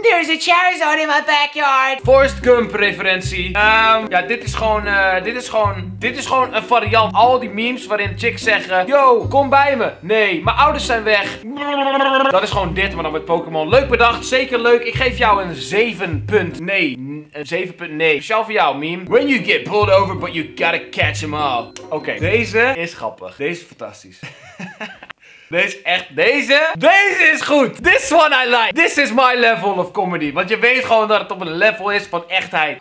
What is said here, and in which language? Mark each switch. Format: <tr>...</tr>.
<en>There's a Charizard in my backyard.</en> <nl>Forrest Gump referentie. Ja, dit is gewoon een variant. Al die memes waarin chicks zeggen, yo, kom bij me. Nee, mijn ouders zijn weg. Dat is gewoon dit, maar dan met Pokémon. Leuk bedacht, zeker leuk. Ik geef jou een 7.9. Een 7.9. Speciaal voor jou, meme.</nl> <en>When you get pulled over, but you gotta catch them all.</en> <nl>Oké, deze is grappig. Deze is fantastisch. Deze echt, deze. Deze is goed.</nl> <en>This one I like. This is my level of comedy.</en> <nl>Want je weet gewoon dat het op een level is van echtheid.</nl>